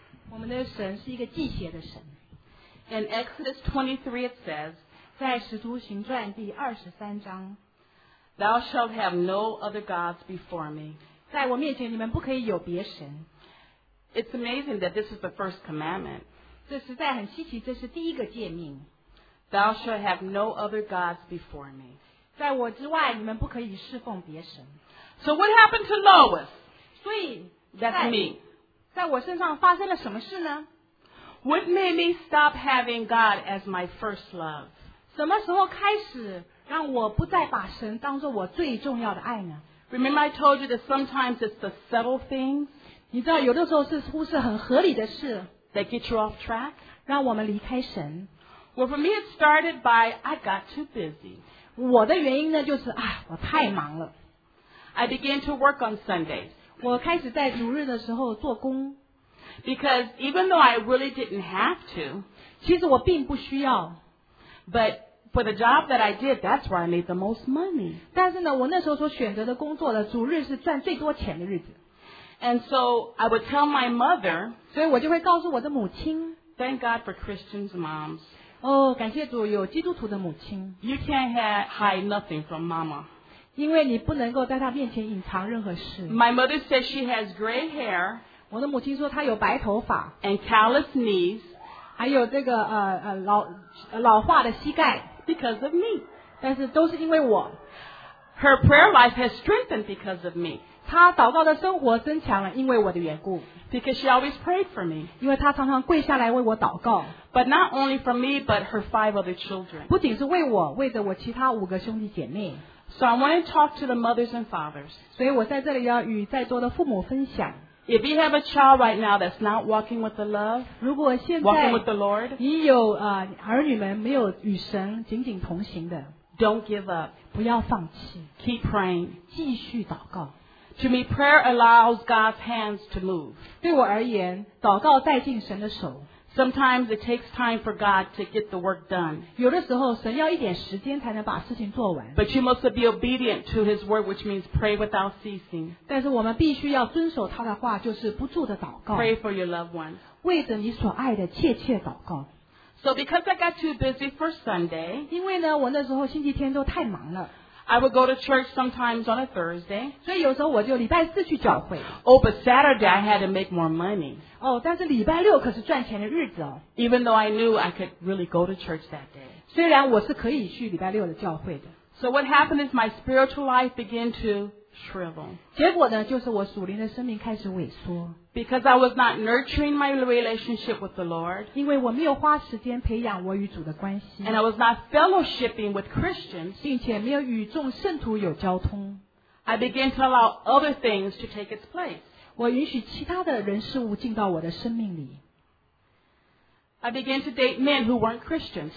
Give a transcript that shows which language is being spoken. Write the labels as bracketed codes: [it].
[zh] 我们的神是一个忌邪的神。 [en] In Exodus 23 it says, [zh] 在使徒行传第二十三章 [en] Thou shalt have no other gods before me. [zh] 在我面前你们不可以有别神。 [en] It's amazing that this is the first commandment. [zh] 这实在很稀奇，这是第一个诫命。 [en] Thou shalt have no other gods before me. [zh] 在我之外你们不可以侍奉别神。 [en] So what happened to Lois? [zh] 所以 [en] That's me. [zh] 在我身上发生了什么事呢? [en] What made me stop having God as my first love? [zh] 什么时候开始让我不再把神当作我最重要的爱呢? [en] Remember I told you that sometimes it's the subtle things? [zh] 你知道有的时候是乎是很合理的事 [en] that get you off track? [zh] 让我们离开神。 [en] Well, for me it started by I got too busy. [zh] 我的原因呢就是啊我太忙了。 [en] I began to work on Sundays. [zh] 我开始在主日的时候做工 [en] Because even though I really didn't have to [zh] 其实我并不需要 [en] But for the job that I did That's where I made the most money [zh] 但是呢我那时候所选择的工作的主日是赚最多钱的日子 [en] And so I would tell my mother [zh] 所以我就会告诉我的母亲 [en] Thank God for Christian's moms [zh] 哦，感谢主有基督徒的母亲 [en] You can't hide nothing from mama [zh] 因为你不能够在她面前隐藏任何事。 [en] My mother says she has gray hair. [zh] 我的母亲说她有白头发。 [en] And callous knees. [zh] 还有这个老化的膝盖。 [en] Because of me. [zh] 但是都是因为我。 [en] Her prayer life has strengthened because of me. [zh] 她祷告的生活增强了因为我的缘故。 [en] Because she always prayed for me. [zh] 因为她常常跪下来为我祷告。 [en] But not only for me, but her five other children. [zh] 不仅是为我，为着我其他五个兄弟姐妹。 [en] So I want to talk to the mothers and fathers. [zh] 所以我在这里要与在座的父母分享。 [en] If you have a child right now that's not walking with the love, [zh] 如果现在 [en] walking with the Lord, [zh] 你有儿女们没有与神紧紧同行的 [en] ，Don't give up, [zh] 不要放弃 [en] ，Keep praying, [zh] 继续祷告。 [en] To me, prayer allows God's hands to move. [zh] 对我而言，祷告带进神的手。 [en] Sometimes it takes time for God to get the work done. [zh] 有的时候神要一点时间才能把事情做完。 [en] But you must be obedient to His word, which means pray without ceasing. [zh] 但是我们必须要遵守他的话，就是不住的祷告。 [en] Pray for your loved ones. [zh] 为着你所爱的切切祷告。 [en] So because I got too busy for Sunday, [zh] 因为呢我那时候星期天都太忙了。 [en] I would go to church sometimes on a Thursday. [zh] 所以有时候我就礼拜四去教会。 [en] Oh, but Saturday I had to make more money. [zh] 哦，但是礼拜六可是赚钱的日子哦。 [en] Even though I knew I could really go to church that day. [zh] 虽然我是可以去礼拜六的教会的。 [en] So what happened is my spiritual life began to shrivel. [zh] 结果呢，就是我属灵的生命开始萎缩。 [en] Because I was not nurturing my relationship with the Lord. [zh] 因为我没有花时间培养我与主的关系。 [en] And I was not fellowshipping with Christians. [zh] 并且没有与众圣徒有交通。 [en] I began to allow other things to take its place. [zh] 我允许其他的人事物进到我的生命里。 [en] I began to date men who weren't Christians.